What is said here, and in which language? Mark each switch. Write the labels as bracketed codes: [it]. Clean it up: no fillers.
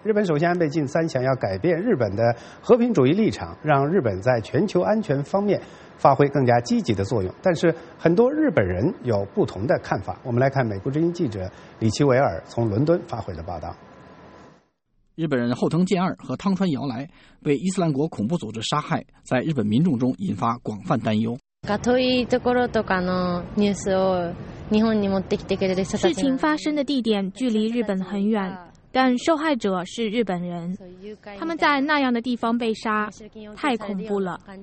[zh] 日本首相安倍晋三想要改变日本的和平主义立场，让日本在全球安全方面发挥更加积极的作用，但是很多日本人有不同的看法。我们来看美国之音记者李奇维尔从伦敦发回的报道。日本人后藤健二和汤川遥来被伊斯兰国恐怖组织杀害，在日本民众中引发广泛担忧。 [ja] 遠いところとかのニュースを日本に持ってきてくれる人たち。 [zh] 事情发生的地点距离日本很远，但受害者是日本人，他们在那样的地方被杀，太恐怖了。